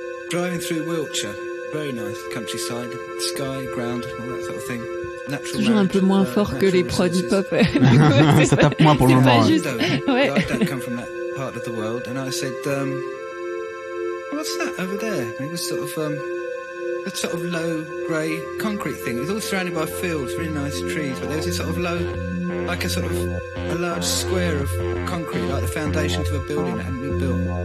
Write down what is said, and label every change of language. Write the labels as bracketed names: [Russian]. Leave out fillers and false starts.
[English] Driving through Wiltshire, very nice countryside, sky, ground, all that sort of thing. [French] C'est toujours un peu moins fort que les prods hip-hop. Ça tape moins pour le moment. C'est pas juste. [English] I don't come from that part of the world. And I said, what's that over there? It was sort of a sort of low, grey concrete thing. It was all surrounded by fields, really nice trees. But there was a sort of low, like a sort of a large square of concrete, like the foundations of a building that hadn't been built.